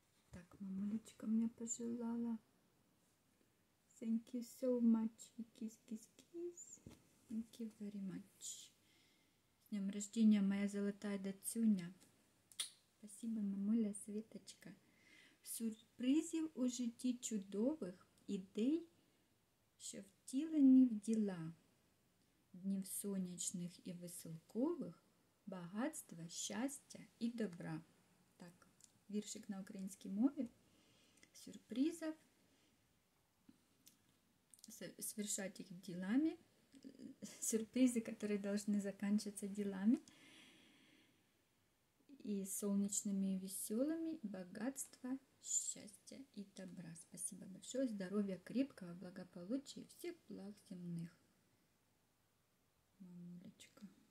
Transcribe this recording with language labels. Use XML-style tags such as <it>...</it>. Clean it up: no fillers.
<ru>Так, мамулечка мне пожелала.</ru> <en>Thank you so much. Kiss, kiss, kiss. Thank you very much.</en> <ru>С днем рождения, моя золотая Дацюня. Спасибо, мамуля, Светочка.</ru> <uk>Сюрпризів у житті чудових, ідей, що втілені в діла. Днів сонячних і веселкових, багатства, щастя і добра. Так, віршик на українській мові. Сюрпризів.</uk> <ru>Совершать их делами, сюрпризы, которые должны заканчиваться делами, и солнечными, и веселыми, богатство, счастье и добра. Спасибо большое, здоровья крепкого, благополучия и всех благ земных. Мамулечка.</ru>